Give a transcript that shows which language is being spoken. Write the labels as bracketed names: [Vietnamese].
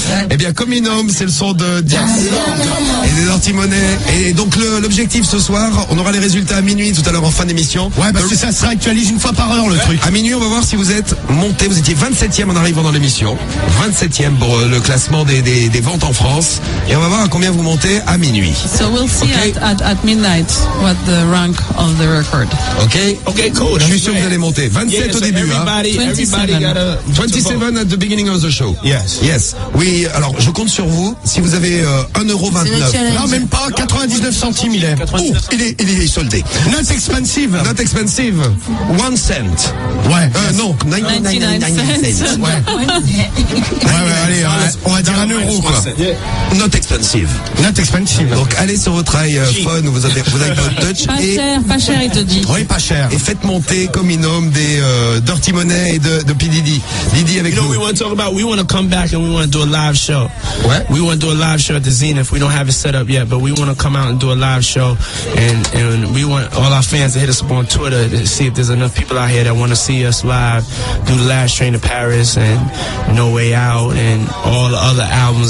[French] Eh bien, comme une homme, c'est le son de Diaz et des Antimonnaies. Et donc, l'objectif ce soir, on aura les résultats à minuit tout à l'heure en fin d'émission. Ouais, parce que ça se réactualise une fois par heure, le truc. À minuit, on va voir si vous êtes monté. Vous étiez 27e en arrivant dans l'émission. 27e pour le classement des ventes en France et on va voir à combien vous montez à minuit. [English] So we'll see at midnight what the rank of the record. Okay, cool. [French] Je suis sûr que vous allez monter. 27 yeah, au [English] so [French] début, [English] everybody, hein. 27 at the beginning of the show. Yes. [French] Oui, alors je compte sur vous. Si vous avez 1,29€. Non, même pas, 99 centimes, il est soldé. [English] Not expensive. 1 cent. [French] Ouais. [English] Yes. Non, 99 cents. [French] Ouais. Ouais, allez, on va dire 1€. [English] Yeah. Not expensive. [French] Donc allez sur votre iPhone ou vous avez votre Touch. Pas cher, il te dit. Oui, pas cher. Et faites monter comme une homme des Dirty Money et de P. Didi. Didi avec nous. [English] You know what we want to talk about? We want to come back and we want to do a live show. What? We want to do a live show at the Zenith. We don't have it set up yet, but we want to come out and do a live show. And we want all our fans to hit us up on Twitter to see if there's enough people out here that want to see us live, do the Last Train to Paris and No Way Out and all the other albums.